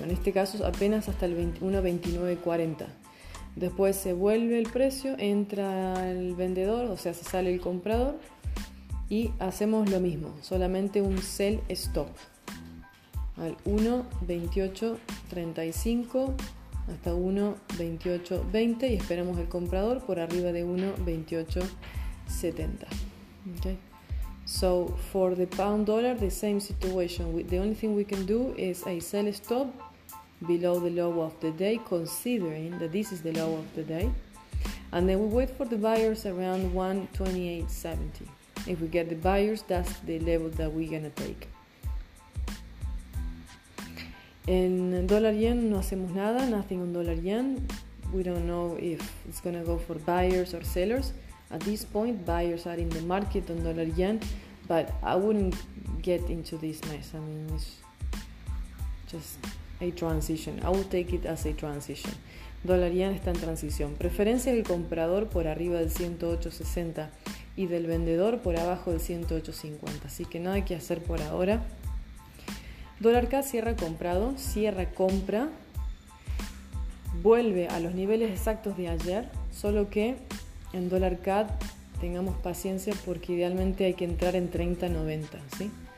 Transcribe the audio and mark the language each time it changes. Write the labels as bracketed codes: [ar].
[es] En este caso, apenas hasta el 1.2940. Después se vuelve el precio, entra el vendedor, o sea, se sale el comprador, y hacemos lo mismo, solamente un sell stop al 1.2835 hasta 1.2820 y esperamos el comprador por arriba de 1.2870. [en] Okay. So for the pound dollar, the same situation. The only thing we can do is a sell stop below the low of the day, considering that this is the low of the day. And then we wait for the buyers around 1.2870. If we get the buyers, that's the level that we're gonna take. In dollar yen, [es] no hacemos nada, [en] nothing on dollar yen. We don't know if it's gonna go for buyers or sellers. At this point, buyers are in the market on dollar yen, but I wouldn't get into this mess. I mean, it's just a transition. I would take it as a transition. Dollar yen [es] está en transición. Preferencia del comprador por arriba del 108.60 y del vendedor por abajo del 108.50. Así que nada que hacer por ahora. Dólar CAD cierra comprado, cierra compra. Vuelve a los niveles exactos de ayer, solo que en dólar CAD tengamos paciencia porque idealmente hay que entrar en 30.90, ¿sí?